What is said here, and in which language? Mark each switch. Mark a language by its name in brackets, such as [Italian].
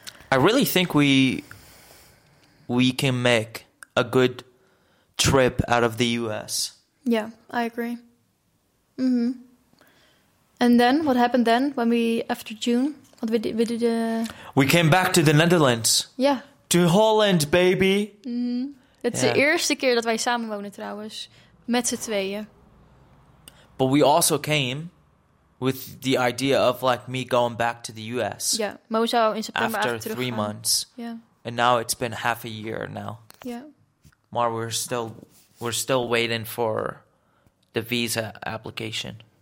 [English] I really think we can make a good trip out of the US. Yeah, I agree. Mm-hmm. And then, what happened then, when we, after June, what we did... We came back to the Netherlands. Yeah. To Holland, baby. Mm-hmm. [Dutch] Het is de eerste keer dat wij samen wonen trouwens, met z'n tweeën. [English] But we also came with the idea of like me going back to the US. [Dutch] Ja, [English] yeah. [Dutch] Mo zou in september [English] after [Dutch] teruggaan. [English] After 3 months. Yeah. And now it's been half a year now. Yeah. [Dutch] Maar [English] we're still waiting for the visa application.